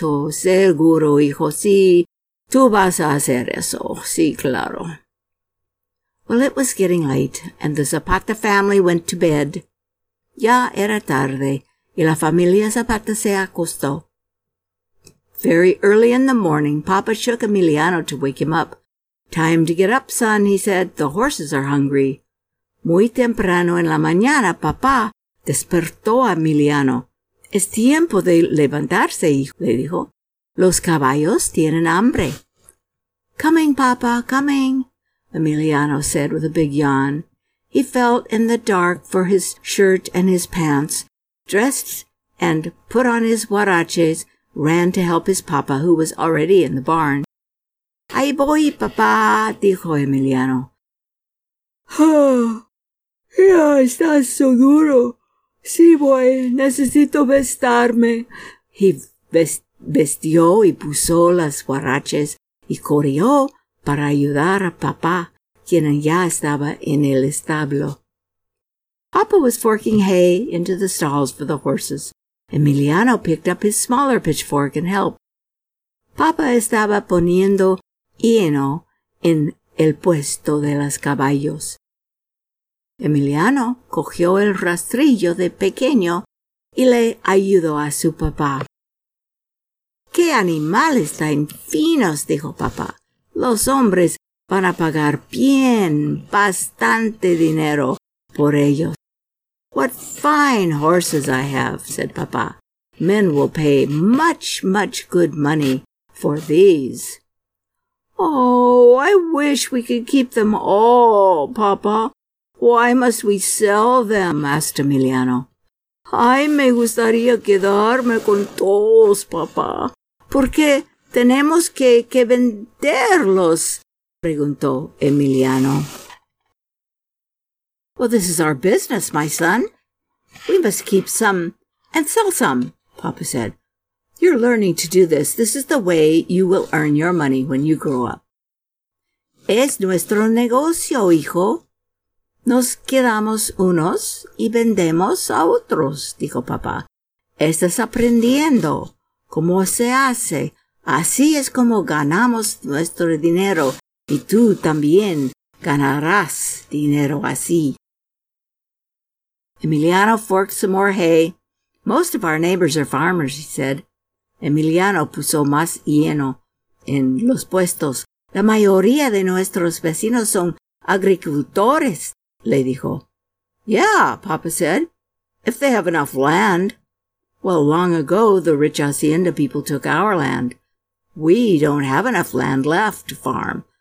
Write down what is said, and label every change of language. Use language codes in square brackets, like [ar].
[es] Seguro, hijo, sí, tú vas a hacer eso, sí, claro. [en] Well, it was getting late, and the Zapata family went to bed. [es] Ya era tarde, y la familia Zapata se acostó. [en] Very early in the morning, Papa shook Emiliano to wake him up. "Time to get up, son," he said. "The horses are hungry." [es] Muy temprano en la mañana, papá despertó a Emiliano. "Es tiempo de levantarse, hijo," le dijo. "Los caballos tienen hambre." [en] "Coming, papa, coming," Emiliano said with a big yawn. He felt in the dark for his shirt and his pants, dressed and put on his huaraches, ran to help his papa, who was already in the barn. [es] "Ahí voy, papá," dijo Emiliano. "Oh, ya estás seguro. Sí voy, necesito vestarme." He vestió y puso las huaraches y corrió para ayudar a papá, quien ya estaba en el establo. [en] Papa was forking hay into the stalls for the horses. Emiliano picked up his smaller pitchfork and helped. [es] Papa estaba poniendo heno en el puesto de los caballos. Emiliano cogió el rastrillo de pequeño y le ayudó a su papá. "¡Qué animales tan finos!" dijo papá. "Los hombres van a pagar bien, bastante dinero por ellos." [en] "What fine horses I have," said papá. "Men will pay much, much good money for these." "Oh, I wish we could keep them all, papá. Why must we sell them?" asked Emiliano. [es] "Ay, me gustaría quedarme con todos, papá. ¿Por qué tenemos que venderlos?" preguntó Emiliano. [en] "Well, this is our business, my son. We must keep some and sell some," papá said. "You're learning to do this. This is the way you will earn your money when you grow up." [es] "Es nuestro negocio, hijo. Nos quedamos unos y vendemos a otros," dijo papá. "Estás aprendiendo cómo se hace. Así es como ganamos nuestro dinero, y tú también ganarás dinero así." [en] Emiliano forked some more hay. "Most of our neighbors are farmers," he said. [es] Emiliano puso más heno en los puestos. "La mayoría de nuestros vecinos son agricultores," le dijo. [en] "Yeah," papa said, "if they have enough land. Well, long ago, the rich hacienda people took our land. We don't have enough land left to farm.